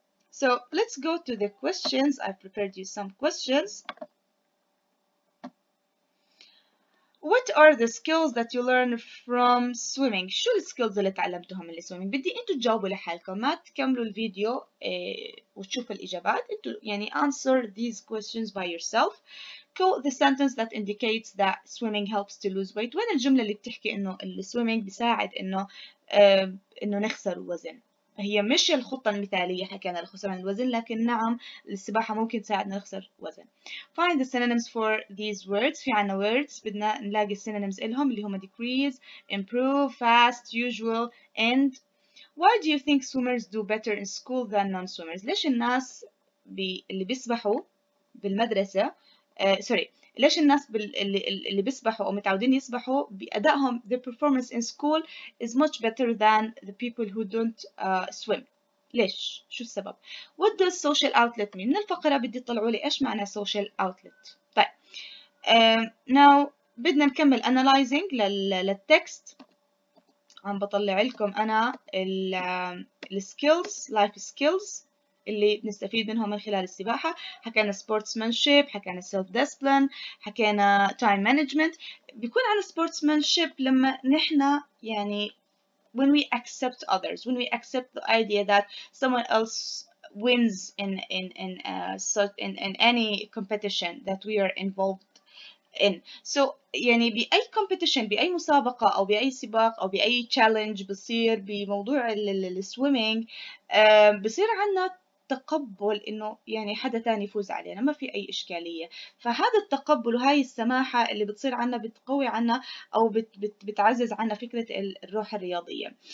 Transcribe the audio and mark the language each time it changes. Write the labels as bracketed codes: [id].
[en] So let's go to the questions. I prepared you some questions. What are the skills that you learn from swimming? [ar] شو السكيلز اللي تعلمتهم من السويمينج؟ بدي انتو تجاوبوا لحالكم، ما تكملوا الفيديو وتشوفوا الإجابات. انتو يعني answer these questions by yourself. [en] Quote the sentence that indicates that swimming helps to lose weight. [ar] وين الجملة اللي بتحكي انه السويمينج بيساعد انه نخسر وزن؟ هي مش الخطة المثالية حكينا لخسران الوزن، لكن نعم السباحة ممكن تساعدنا نخسر وزن. [en] Find the synonyms for these words. [ar] في عنا [en] words [ar] بدنا نلاقي [en] synonyms [ar] إلهم اللي هما [en] decrease, improve, fast, usual, and. Why do you think swimmers do better in school than non-swimmers? [ar] ليش الناس اللي بيسبحوا بالمدرسة ليش الناس اللي بيسبحوا أو متعودين يسبحوا بأدائهم [en] their performance in school is much better than the people who don't swim. [ar] ليش؟ شو السبب؟ [en] What does social outlet mean؟ [ar] من الفقرة بدي تطلعوا لي إيش معنى social outlet. طيب now بدنا نكمل analyzing للtext. عم بطلع لكم أنا skills, [en] life skills [ar] اللي بنستفيد منهم من خلال السباحة. حكينا sportsmanship، حكينا self-discipline، حكينا time management. بيكون على [en] sportsmanship [ar] لما نحنا يعني [en] when we accept others, when we accept the idea that someone else wins in any competition that we are involved in. [ar] So يعني بأي competition، بأي مسابقة أو بأي سباق أو بأي challenge بصير بموضوع ال swimming، بصير عنا تقبل انه يعني حدا تاني يفوز علينا، ما في اي اشكالية. فهذا التقبل وهاي السماحة اللي بتصير عنا بتقوي عنا او بتعزز عنا فكرة الروح الرياضية.